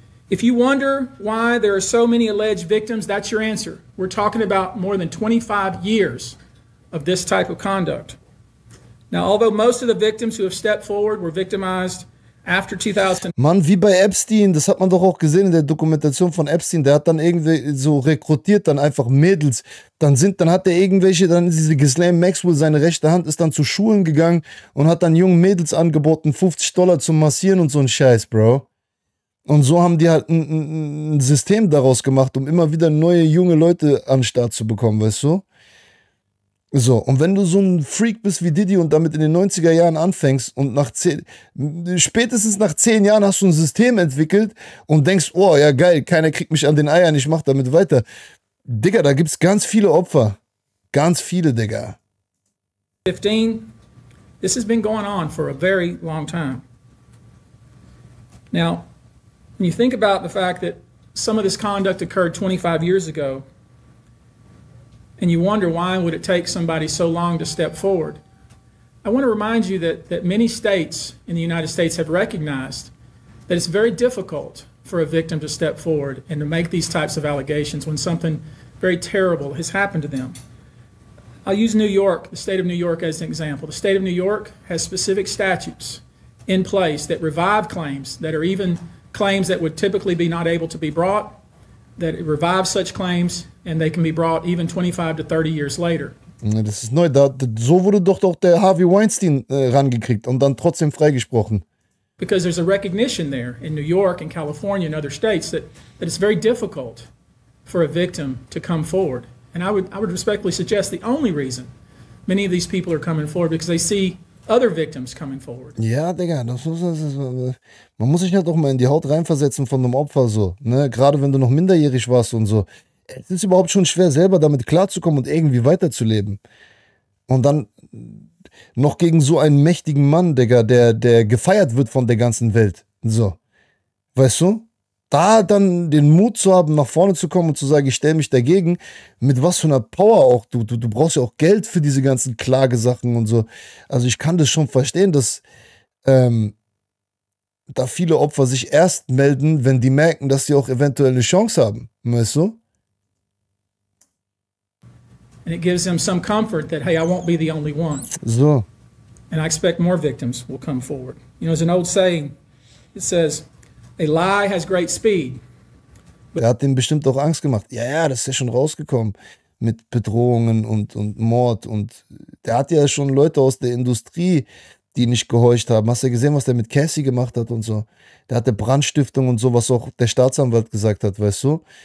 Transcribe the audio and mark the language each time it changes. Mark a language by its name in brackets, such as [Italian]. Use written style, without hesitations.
[English] If you wonder why there are so many alleged victims, that's your answer. We're talking about more than 25 years of this type of conduct. Now, although most of the victims who have stepped forward were victimized after 2000... [German] Mann, wie bei Epstein, das hat man doch auch gesehen in der Dokumentation von Epstein, der hat dann irgendwie so rekrutiert, dann einfach Mädels, dann hat er irgendwelche, dann ist diese Ghislaine Maxwell, seine rechte Hand, ist dann zu Schulen gegangen und hat dann jungen Mädels angeboten, $50 zum Massieren und so ein Scheiß, Bro. Und so haben die halt ein System daraus gemacht, um immer wieder neue, junge Leute an den Start zu bekommen, weißt du? So, und wenn du so ein Freak bist wie Diddy und damit in den 90er Jahren anfängst und spätestens nach 10 Jahren hast du ein System entwickelt und denkst, oh ja geil, keiner kriegt mich an den Eiern, ich mach damit weiter. Digga, da gibt's ganz viele Opfer. Ganz viele, Digga. [English] 15, this has been going on for a very long time. Now, when you think about the fact that some of this conduct occurred 25 years ago, and you wonder why would it take somebody so long to step forward, I want to remind you that many states in the United States have recognized that it's very difficult for a victim to step forward and to make these types of allegations when something very terrible has happened to them. I'll use New York, the state of New York, as an example. The state of New York has specific statutes in place that revive claims that are even claims that would typically be not able to be brought, that it revives such claims, and they can be brought even 25 to 30 years later. [German] Das ist neu. So wurde doch der Harvey Weinstein rangekriegt und dann trotzdem freigesprochen. [English] Because there's a recognition there in New York and California and other states that it's very difficult for a victim to come forward. And I would respectfully suggest the only reason many of these people are coming forward because they see other victims coming forward. [German] Ja, Digga, man muss sich halt auch mal in die Haut reinversetzen von einem Opfer so, ne? Gerade wenn du noch minderjährig warst und so. Es ist überhaupt schon schwer, selber damit klarzukommen und irgendwie weiterzuleben. Und dann noch gegen so einen mächtigen Mann, Digga, der gefeiert wird von der ganzen Welt. So, weißt du? Da dann den Mut zu haben, nach vorne zu kommen und zu sagen, ich stelle mich dagegen, mit was für einer Power auch, du brauchst ja auch Geld für diese ganzen Klagesachen und so. Also ich kann das schon verstehen, dass da viele Opfer sich erst melden, wenn die merken, dass sie auch eventuell eine Chance haben, weißt du? [English] And it gives them some comfort that, hey, I won't be the only one. So. And I expect more victims will come forward. You know, there's an old saying, it says, a lie has great speed. [German] Er hat den bestimmt auch Angst gemacht. Ja, ja, das ist ja schon rausgekommen mit Bedrohungen und Mord. Und der hat ja schon Leute aus der Industrie, die nicht gehorcht haben. Hast du ja gesehen, was der mit Cassie gemacht hat und so? Der hatte Brandstiftung und so, was auch der Staatsanwalt gesagt hat, weißt du?